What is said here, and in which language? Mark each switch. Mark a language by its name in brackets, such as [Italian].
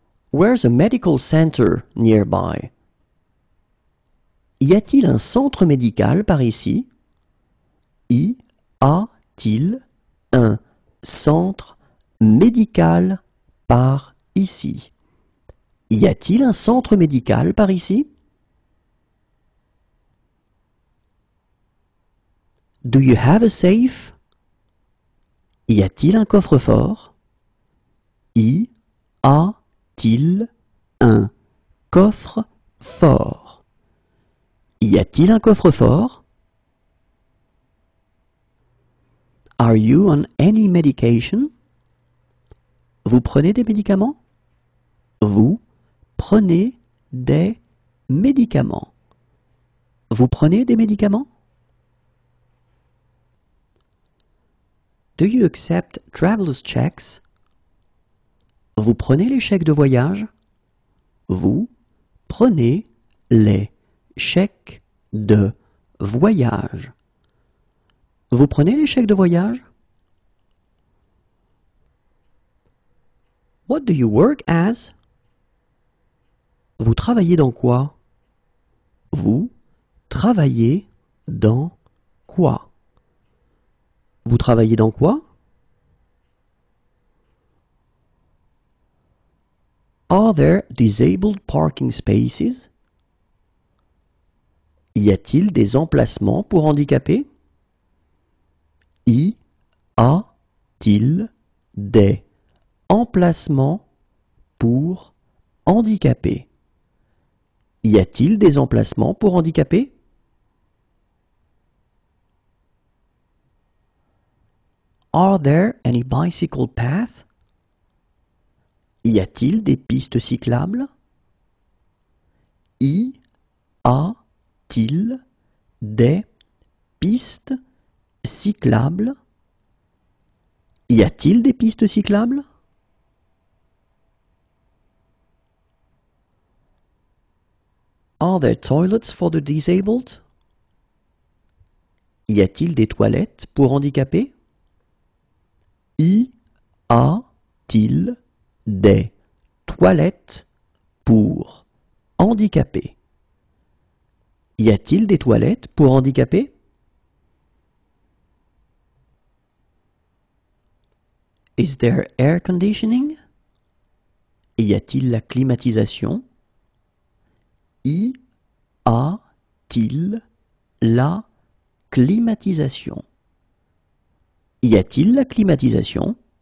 [English] Where's a medical center nearby? [French] Y a-t-il un centre médical par ici? Y a-t-il un centre médical par ici? Y a-t-il un centre médical par ici? [English] Do you have a safe? [French] Y a-t-il un coffre-fort? Y a-t-il un coffre-fort? Y a-t-il un coffre-fort? [English] Are you on any medication? [French] Vous prenez des médicaments? Vous prenez des médicaments? Vous prenez des médicaments? [English] Do you accept travelers checks? [French] Vous prenez les chèques de voyage? Vous prenez les chèques de voyage? Vous prenez les chèques de voyage? [English] What do you work as? [French] Vous travaillez dans quoi? Vous travaillez dans quoi? Vous travaillez dans quoi? [English] Are there disabled parking spaces? [French] Y a-t-il des emplacements pour handicapés? Y a-t-il des emplacements pour handicapés? Y a-t-il des emplacements pour handicapés? [English] Are there any bicycle paths? [French] Y a-t-il des pistes cyclables? Y a-t-il des pistes cyclables? Y a-t-il des pistes cyclables? [English] Are there toilets for the disabled? [French] Y a-t-il des toilettes pour handicapés? Y a-t-il des toilettes pour handicapés? Y a-t-il des toilettes pour handicapés? [English] Is there air conditioning? [French] Y a-t-il la climatisation? Y a-t-il la climatisation? Y a-t-il la climatisation?